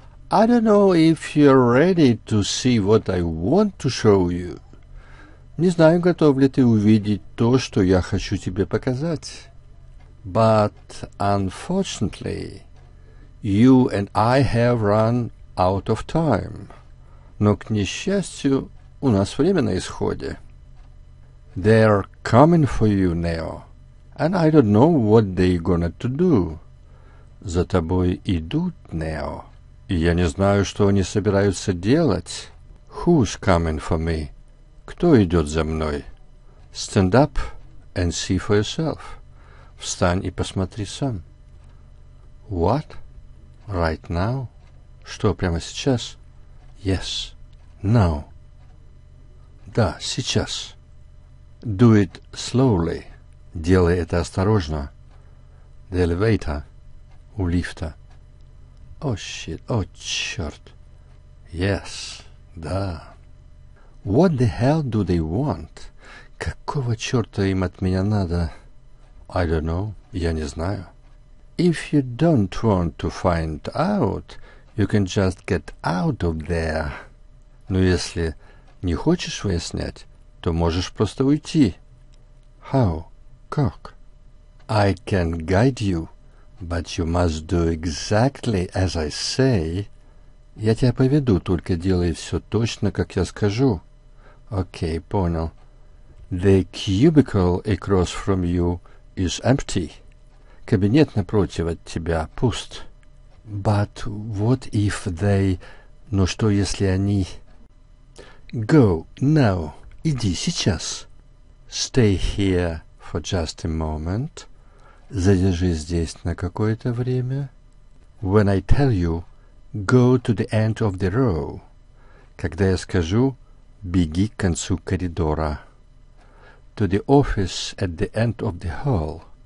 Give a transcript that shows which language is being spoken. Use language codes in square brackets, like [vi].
[en] I don't know if you're ready to see what I want to show you. [ru] Не знаю, готов ли ты увидеть то, что я хочу тебе показать. [en] But unfortunately, you and I have run out of time. [ru] Но, к несчастью, у нас время на исходе. [en] They're coming for you, Neo, and I don't know what they're gonna to do. [ru] За тобой идут, Neo, и я не знаю, что они собираются делать. [en] Who's coming for me? [ru] Кто идет за мной? [en] Stand up and see for yourself. [ru] Встань и посмотри сам. [en] What? Right now? [ru] Что, прямо сейчас? [en] Yes, now. [ru] Да, сейчас. [en] Do it slowly. [ru] Делай это осторожно. [en] The elevator. [ru] У лифта. [en] Oh, shit. [ru] Oh, черт. [en] Yes. [ru] Да. [en] What the hell do they want? [ru] Какого черта им от меня надо? [en] I don't know. [ru] Я не знаю. [en] If you don't want to find out, you can just get out of there. [ru] Но если не хочешь выяснять, то можешь просто уйти. [en] How? [ru] Как? [en] I can guide you, but you must do exactly as I say. [ru] Я тебя поведу, только делай все точно, как я скажу. Окей, понял. [en] The cubicle across from you is empty. [ru] Кабинет напротив от тебя пуст. [en] But what if they... [ru] Но что, если они... [en] Go now. [ru] Иди сейчас. [en] Stay here for just a moment. [ru] Задержись здесь на какое-то время. [en] When I tell you, go to the end of the row. [ru] Когда я скажу, беги к концу коридора. [en] To the office at the end of the hall.